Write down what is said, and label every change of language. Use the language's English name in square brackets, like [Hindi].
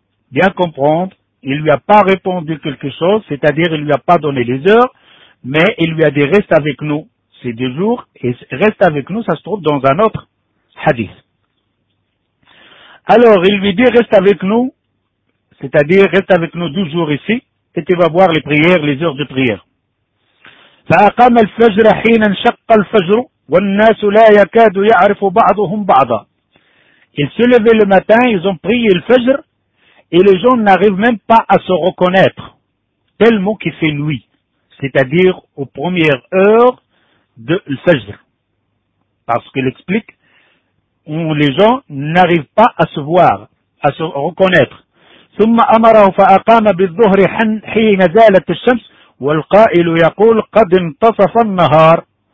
[French] Bien comprendre, il lui a pas répondu quelque chose, c'est-à-dire il lui a pas donné les heures, mais il lui a dit reste avec nous, c'est 2 jours, et reste avec nous, ça se trouve dans un autre hadith. Alors, il lui dit reste avec nous, c'est-à-dire reste avec nous 2 jours ici, et tu vas voir les prières, les heures de prière. [Arabic] فأقام الفجر حين انشق الفجر والناس لا يكاد يعرف بعضهم بعضا. [French] Ils se levaient le matin, ils ont prié le fajr, et les gens n'arrivent même pas à se reconnaître, tellement qu'il fait nuit, c'est-à-dire aux premières heures de l'fajr. Parce qu'il explique, les gens n'arrivent pas à se voir, à se reconnaître. [Arabic] ثم أمره فأقام بالظهر حين زالت الشمس والقائل يقول قد انتصف النهار.